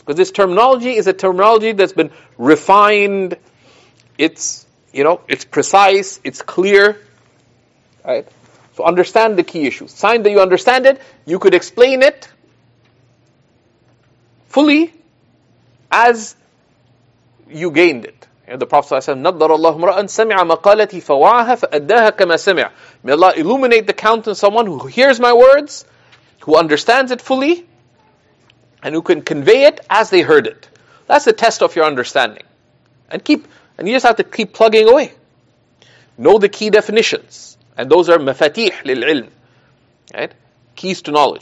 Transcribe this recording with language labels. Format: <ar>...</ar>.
<en>Because this terminology is a terminology that's been refined. It's, you know, it's precise, it's clear. Right? So understand the key issues. Sign that you understand it, you could explain it fully as you gained it. And the Prophet said,</en> <ar>نَضَّرَ اللَّهُ مْرَأً سَمِعَ مَقَالَتِي فَوَعَهَ فَأَدَّاهَ كَمَا سَمِعَ.</ar> <en>May Allah illuminate the countenance of someone who hears my words, who understands it fully, and who can convey it as they heard it. That's the test of your understanding. And you just have to keep plugging away. Know the key definitions. And those are</en> <ar>مفاتيح للعلم.</ar> <en>Right? Keys to knowledge.</en>